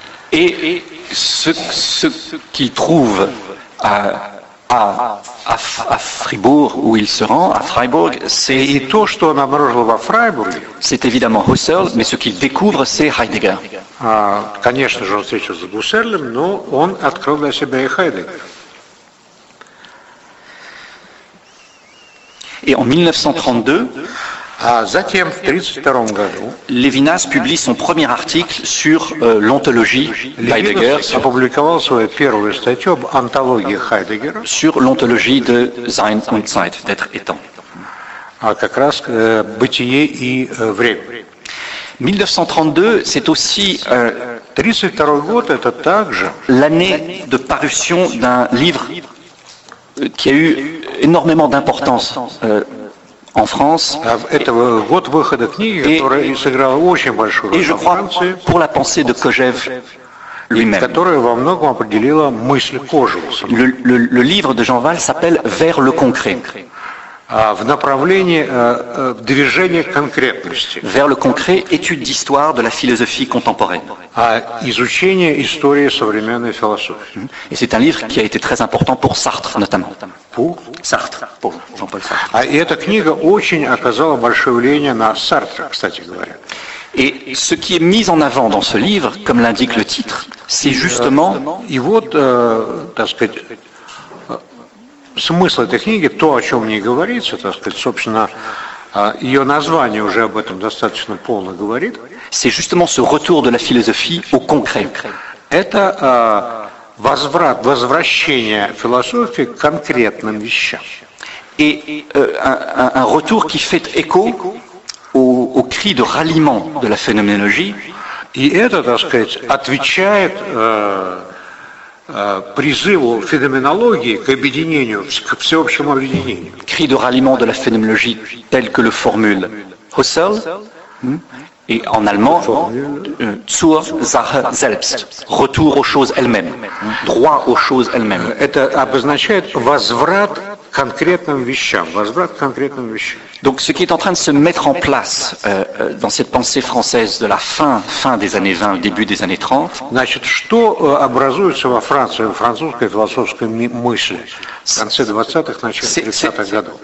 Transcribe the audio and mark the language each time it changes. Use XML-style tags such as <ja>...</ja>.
<fr>Et ce qu'il trouve à Fribourg, où il se rend, à Freiburg, c'est... Et tout ce qu'on a trouvé à Freiburg... C'est évidemment Husserl, mais ce qu'il découvre, c'est Heidegger.</fr> <ru>Конечно же, он встретился с Гуссерлем, но он открыл для себя и Heidegger.</ru> <fr>Et en 1932...</fr> <ru>Затем, в 32-м году,</ru> <fr>Левинас publie son premier article sur l'ontologie Heidegger.</fr> <ru>Левинас опубликовал свою первую статью об онтологии Heidegger.</ru> <fr>Sur l'ontologie de</fr> <de>sein und Zeit,</de> <fr>d'être et temps.</fr> <ru>Как раз бытие и время.</ru> <fr>1932, c'est aussi</fr> <ru>32-й год, это также</ru> <fr>l'année de parution d'un livre qui a eu énormément d'importance. En France. Et je crois pour la pensée de Kojève lui-même.</fr> <ru>Которая во многом определила мысль Кожева.</ru> <fr>Le livre de Jean Val s'appelle Vers le concret.</fr> <ru>в направлении движения конкретности.</ru> <fr>Vers le concret, étude d'histoire de la philosophie contemporaine.</fr> <ru>А изучение истории современной философии.</ru> <fr>Et c'est un livre qui a été très important pour Sartre, notamment. Pour Sartre. Pour Jean-Paul Sartre.</fr> <ru>А и эта книга очень оказала большое влияние на Сартра, кстати говоря.</ru> <fr>Et ce qui est mis en avant dans ce livre, comme l'indique le titre, c'est justement. Et</fr> <ru>вот, так сказать, смысл этой книги, то, о чем в ней говорится, так сказать, собственно, ее название уже об этом достаточно полно говорит.</ru> <fr>C'est justement ce retour de la philosophie au concret.</fr> <ru>Это возврат, возвращение философии к конкретным вещам.</ru> <fr>Et un retour qui fait écho au cri de ralliement de la phénoménologie.</fr> <ru>И это, так сказать, отвечает призыву феноменологии к объединению, к всеобщему объединению.</ru> <fr>Cri de ralliement de la phénoménologie tel que le formule Husserl et en allemand</fr> <de>zur Sache selbst,</de> <fr>retour aux choses elles-mêmes, droit aux choses elles-mêmes.</fr> <ru>Это обозначает возврат к конкретным вещам, возврат к конкретным вещам.</ru> <fr>Donc ce qui est en train de se mettre en place dans cette pensée française de la fin des années 20, début des années 30.</fr> <ru>Значит, что образуется во Франции, в французской философской мысли в конце 20-х, начале 30-х годов?</ru>